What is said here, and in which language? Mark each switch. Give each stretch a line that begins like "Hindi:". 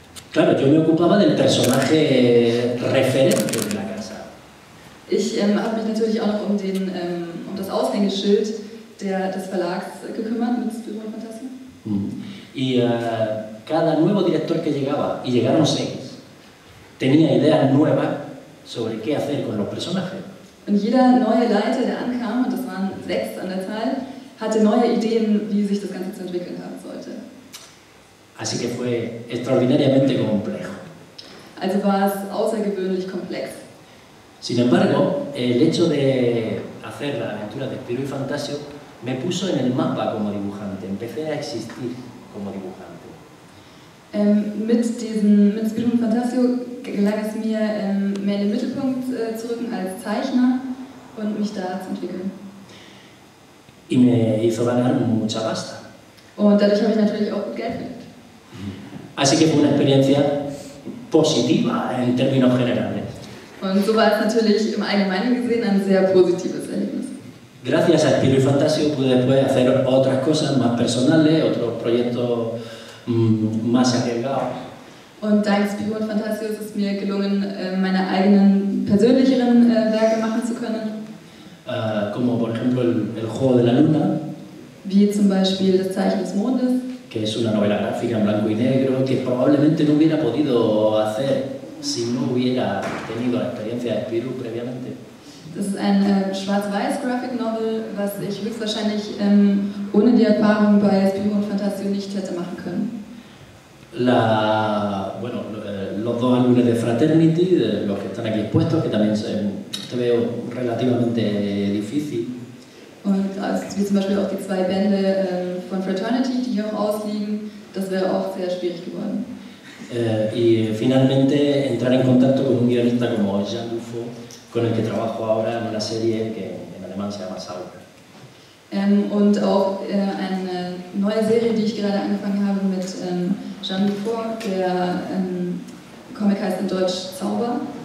Spanish: Claro, yo me ocupaba del personaje referente de la casa.
German: Ich habe mich natürlich auch noch um den das Aushängeschild des Verlags gekümmert mit Spyro Fantasia.
Spanish: Y cada nuevo director que llegaba, y llegaron seis, tenía ideas nuevas sobre qué hacer con los personajes.
German: Und jeder neue Leiter, der ankam, und das waren sechs an der Zahl, hatte neue Ideen, wie sich das Ganze zu entwickeln haben sollte.
Spanish: Así que fue extraordinariamente complejo.
German: Also war es außergewöhnlich komplex.
Spanish: Sin embargo, el hecho de hacer la aventura de Spyro y Fantasio me puso en el mapa como dibujante. Empecé a existir como dibujante.
German: Mit Spyro y Fantasio gelang es mir, mehr in den Mittelpunkt zu rücken als Zeichner und mich da zu entwickeln.
Spanish: Y me hizo ganar mucha pasta.
German: Und dadurch habe ich natürlich auch gut Geld verdient.
Spanish: Así que fue una experiencia positiva en términos generales.
German: Und so war es natürlich im Allgemeinen gesehen ein sehr positives Erlebnis.
Spanish: Gracias a Spyro y Fantasio pude después hacer otras cosas más personales, otros proyectos más arriesgados.
German: Und dank Spyro und Fantasio ist es mir gelungen, meine eigenen persönlicheren Werke machen zu können.
Spanish: Como por ejemplo el juego de la luna.
German: Wie zum Beispiel das Zeichen des Mondes.
Spanish: Que es una novela gráfica en blanco y negro que probablemente no hubiera podido hacer si no hubiera tenido la experiencia de Spyro previamente.
German: Das ist ein schwarz-weiß Graphic Novel, was ich höchstwahrscheinlich ohne die Erfahrung bei Spyro und Fantasio nicht hätte machen können.
Spanish: Los dos álbumes de Fraternity, los que están aquí expuestos, que también te veo relativamente difícil.
German: Und wie zum Beispiel auch die zwei Bände von Fraternity, die hier auch ausliegen, das wäre auch sehr schwierig geworden.
Spanish: Y finalmente entrar en contacto con un guionista como Jean Dufo, con el que trabajo ahora en una serie que en alemán se llama Sauber.
German: Und auch eine neue Serie, die ich gerade angefangen habe mit Jean Dufo, der Comic heißt in Deutsch Zauber.